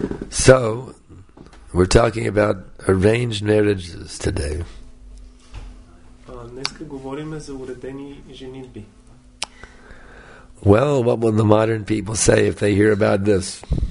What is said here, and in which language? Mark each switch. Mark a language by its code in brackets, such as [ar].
[en] So, we're talking about arranged marriages today. [mk] Днеска говорим за уредени женитби. [en] Well, what will the modern people say if they hear about this?